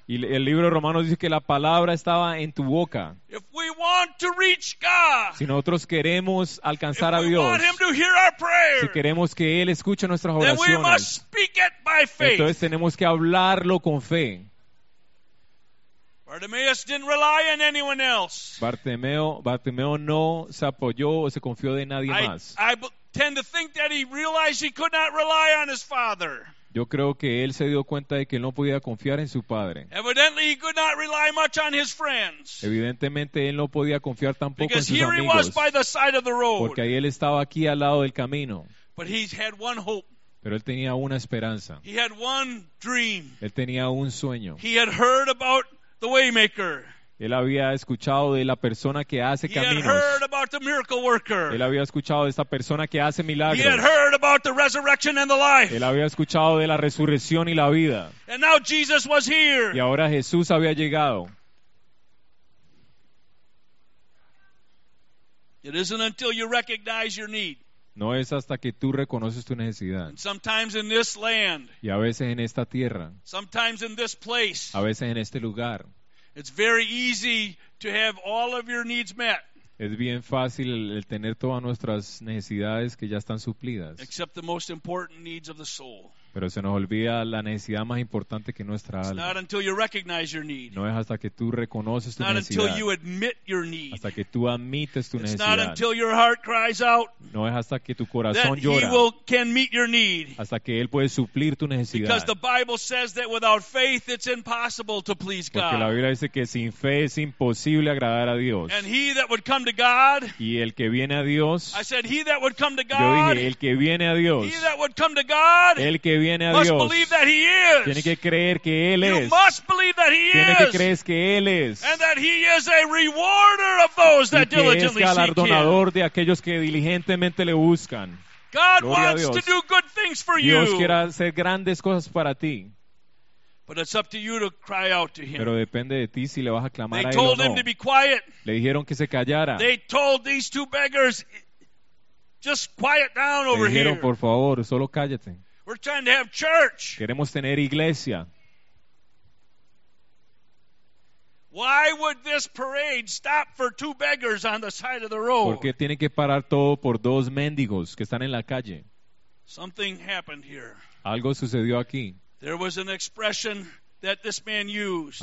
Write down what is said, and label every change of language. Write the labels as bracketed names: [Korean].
[Spanish] Y el libro de Romanos dice que la palabra estaba en tu boca. [English] If we want to reach God, [Spanish] si nosotros queremos alcanzar [English] if we [Spanish] a Dios, [English] want him to hear our prayer, [Spanish] si queremos que Él escuche nuestras oraciones, [English] then we must speak it by faith. [Spanish] Entonces tenemos que hablarlo con fe. [English] Bartimaeus didn't rely on anyone else. [Spanish] Bartimeo no se apoyó o se confió de nadie más. [English] I tend to think that he realized he could not rely on his father. [Spanish] Yo creo que él se dio cuenta de que él no podía confiar en su padre. [English] Evidently, he could not rely much on his friends. [Spanish] Evidentemente, él no podía confiar tampoco [English] because [Spanish] en sus [English] here [Spanish] amigos. [English] He was by the side of the road. [Spanish] Porque ahí él estaba aquí al lado del camino. [English] But he had one hope. [Spanish] Pero él tenía una esperanza. [English] He had one dream. [Spanish] Él tenía un sueño. [English] He had heard about the waymaker. [Spanish] Él había escuchado de la persona que hace caminos. [English] He had heard about the miracle worker. [Spanish] Él había escuchado de esta persona que hace milagros. [English] He had heard about the resurrection and the life. [Spanish] Él había escuchado de la resurrección y la vida. [English] And now Jesus was here. [Spanish] Y ahora Jesús había llegado. [English] It isn't until you recognize your need. [Spanish] No es hasta que tú reconoces tu necesidad. [English] And sometimes in this land. [Spanish] Y a veces en esta tierra. [English] Sometimes in this place. [Spanish] A veces en este lugar. [English] It's very easy to have all of your needs met. [Spanish] Es bien fácil el tener todas nuestras necesidades que ya están suplidas. [English] Except the most important needs of the soul. [Spanish] Pero se nos olvida la necesidad más importante que nuestra alma. [English] It's not until you recognize your need. [Spanish] No es hasta que tú reconoces tu necesidad. [English] Not until you admit your need. [Spanish] Hasta que tú admites tu necesidad. [English] It's not until your heart cries out. [Spanish] No es hasta que tu corazón [English] llora. That he will can meet your need. [Spanish] Hasta que él puede suplir tu necesidad. [English] Because the Bible says that without faith it's impossible to please God. [Spanish] Porque la Biblia dice que sin fe es imposible agradar a Dios. [English] And he that would come to God. [Spanish] Y el que viene a Dios. [English] I said he that would come to God. [Spanish] Yo dije el que viene a Dios. [English] He that would come to God. [Spanish] El que viene a Dios. [English] Must believe that he is. [Spanish] Tiene que creer que él es. [English] You must believe that he [Spanish] Tiene [English] is. [Spanish] Que creer que él es. [English] And that he is a rewarder of those that diligently seek him. [Spanish] Y que es galardonador de aquellos que diligentemente le buscan. [English] God wants to do good things for you. [Spanish] Dios quiere hacer grandes cosas para ti. [English] But it's up to you to cry out to him. [Spanish] Pero depende de ti si le vas a clamar [English] they [Spanish] a él o no. [English] They told him to be quiet. [Spanish] Le dijeron que se callara. [English] They told these two beggars, just quiet down over [Spanish] le dijeron, [English] here. [Spanish] Por favor, solo cállate. [English] We're trying to have church. [Spanish] Queremos tener iglesia. [English] Why would this parade stop for two beggars on the side of the road? [Spanish] ¿Por qué tiene que parar todo por dos mendigos que están en la calle? [English] Something happened here. [Spanish] Algo sucedió aquí. [English] There was an expression that this man used.